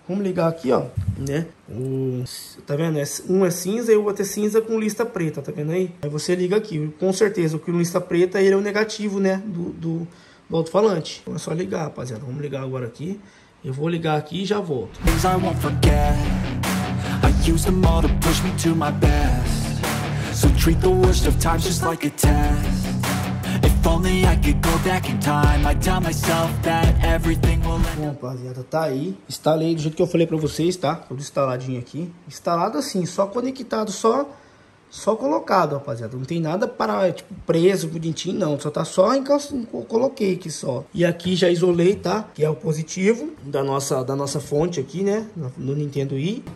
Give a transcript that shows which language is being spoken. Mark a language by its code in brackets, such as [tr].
[pt] Vamos ligar aqui, ó, né? Tá vendo? Um é cinza e o outro é cinza com lista preta, tá vendo aí? Aí você liga aqui. Com certeza, o que lista preta, ele é o negativo, né? Do alto-falante. Então é só ligar, rapaziada. Vamos ligar agora aqui. Eu vou ligar aqui e já volto. [en] Things I won't forget. I use them all to push me to my best. So treat the worst of times just like a test. If only I could go back in time, I'd tell myself that everything will end. [pt] Bom, rapaziada, tá aí. Instalei do jeito que eu falei pra vocês, tá? Tudo instaladinho aqui. Instalado assim, só conectado, só colocado, rapaziada. Não tem nada para, tipo, preso, bonitinho, não. Só tá só em casa, coloquei aqui só. E aqui já isolei, tá? Que é o positivo da nossa fonte aqui, né? No Nintendo Wii.